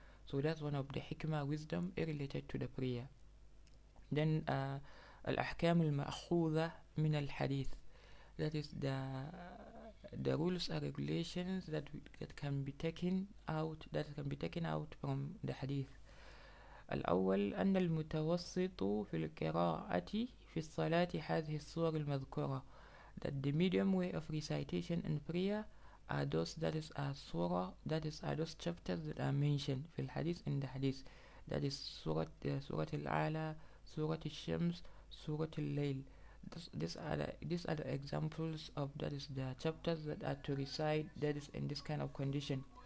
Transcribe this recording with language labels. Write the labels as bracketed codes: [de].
[en] So that's one of the hikmah, wisdom related to the prayer. Then [ar] al-ahkam al-ma'khudha min al-hadith. [en] That is the rules or regulations that can be taken out, that can be taken out from the hadith. [ar] الأول أن المتوسط في القراءة في الصلاة هذه الصور المذكورة. [en] That the medium way of recitation and prayer are those that is a surah, that is are those chapters that are mentioned [ar] في الحديث [en] in the hadith. That is Surah Al-A'la, Surah Al-Shams, Surah Al-Layl. These are the examples of that is the chapters that are to recite that is in this kind of condition.